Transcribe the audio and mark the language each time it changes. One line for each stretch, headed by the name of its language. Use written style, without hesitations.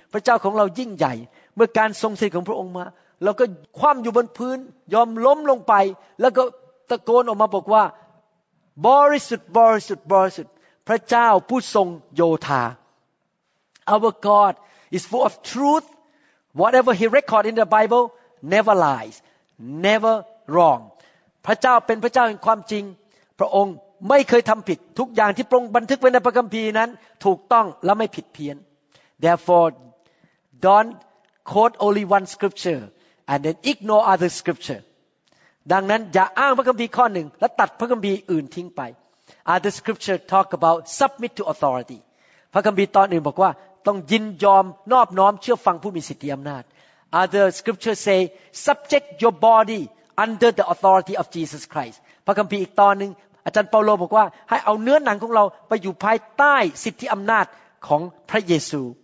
Thai: พระเจ้าของเรายิ่งใหญ่เมื่อการทรงสถิตของพระองค์มาเราก็คว่ำอยู่บนพื้นยอมล้มลงไปแล้วก็ตะโกนออกมาบอกว่าบริสุทธิ์บริสุทธิ์บริสุทธิ์พระเจ้าผู้ทรงโยธา
English: Our God is full of truth. Whatever he record in the Bible never lies, never wrong.
Thai: พระเจ้าเป็นพระเจ้าแห่งความจริงพระองค์ไม่เคยทำผิดทุกอย่างที่พระองค์บันทึกไว้ในพระคัมภีร์นั้นถูกต้องและไม่ผิดเพี้ยน Therefore
English: don't quote only one scripture and then ignore other scripture
Thai: ดังนั้นอย่าอ้างพระคัมภีร์ข้อหนึ่งและตัดพระคัมภีร์อื่นทิ้งไป
English: Other scripture talk about submit to authority
Thai: พระคัมภีร์ตอนอื่นบอกว่าต้องยินยอมนอบน้อมเชื่อฟังผู้มีสิทธิอำนาจ
English: Other scripture say subject your bodyunder the authority of Jesus Christ
Thai: พระคัมภีร์อีกตอนนึงอาจารย์เปาโลบอกว่าให้เอาเนื้อหนังของเราไปอยู่ภายใต้สิทธิอํานาจของพระเยซู